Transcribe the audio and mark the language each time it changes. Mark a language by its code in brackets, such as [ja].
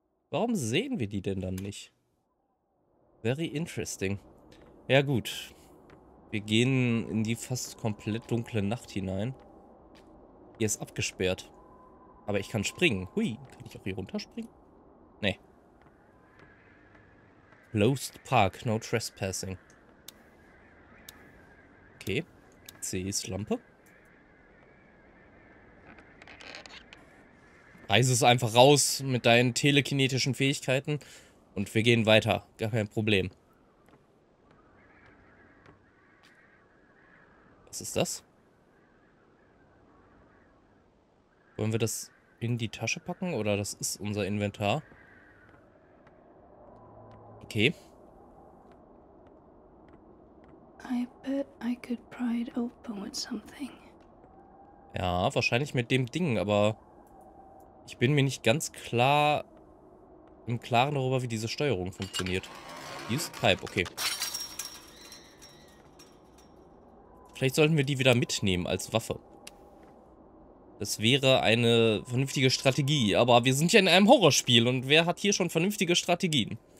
[de] Warum sehen wir die denn dann nicht? [en] Very interesting. [de] Ja gut. Wir gehen in die fast komplett dunkle Nacht hinein. Hier ist abgesperrt. Aber ich kann springen. Hui, kann ich auch hier runterspringen? Nee. [en] Closed Park, no trespassing. [de] Okay. C ist Lampe. Reise es einfach raus mit deinen telekinetischen Fähigkeiten und wir gehen weiter. Gar kein Problem. Was ist das? Wollen wir das in die Tasche packen oder das ist unser Inventar? Okay. [en] I bet I could pry it open with something. [de] Ja, wahrscheinlich mit dem Ding, aber... Ich bin mir nicht ganz klar im Klaren darüber, wie diese Steuerung funktioniert. [en] Use Pipe, [de] okay. Vielleicht sollten wir die wieder mitnehmen als Waffe. Das wäre eine vernünftige Strategie, aber wir sind ja in einem Horrorspiel und wer hat hier schon vernünftige Strategien?